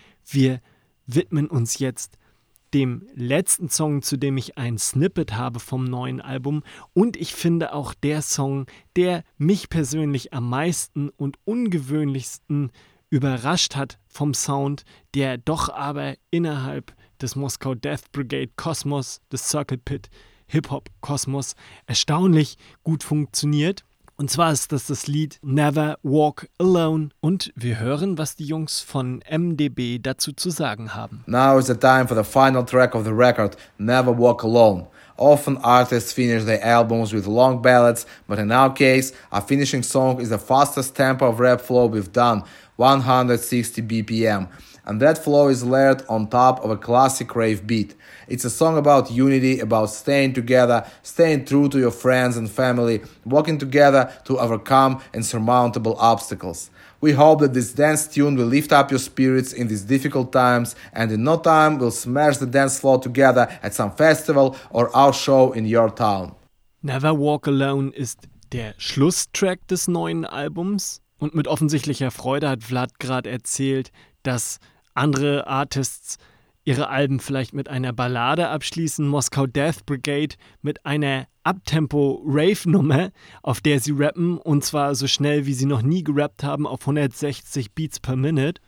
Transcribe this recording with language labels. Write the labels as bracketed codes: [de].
[de] Wir widmen uns jetzt dem letzten Song, zu dem ich ein Snippet habe vom neuen Album, und ich finde auch der Song, der mich persönlich am meisten und ungewöhnlichsten überrascht hat vom Sound, der doch aber innerhalb des Moskau Death Brigade Kosmos, des Circle Pit Hip-Hop Kosmos, erstaunlich gut funktioniert. Und zwar ist das das Lied Never Walk Alone. Und wir hören, was die Jungs von MDB dazu zu sagen haben. [en] Now is the time for the final track of the record, Never Walk Alone. Often artists finish their albums with long ballads, but in our case, a finishing song is the fastest tempo of rap flow we've done, 160 BPM. And that flow is layered on top of a classic rave beat. It's a song about unity, about staying together, staying true to your friends and family, walking together to overcome insurmountable obstacles. We hope that this dance tune will lift up your spirits in these difficult times, and in no time we'll smash the dance floor together at some festival or our show in your town. [de] Never Walk Alone ist der Schlusstrack des neuen Albums, und mit offensichtlicher Freude hat Vlad gerade erzählt, dass andere Artists ihre Alben vielleicht mit einer Ballade abschließen, Moskau Death Brigade mit einer Uptempo-Rave-Nummer, auf der sie rappen, und zwar so schnell, wie sie noch nie gerappt haben, auf 160 Beats per Minute.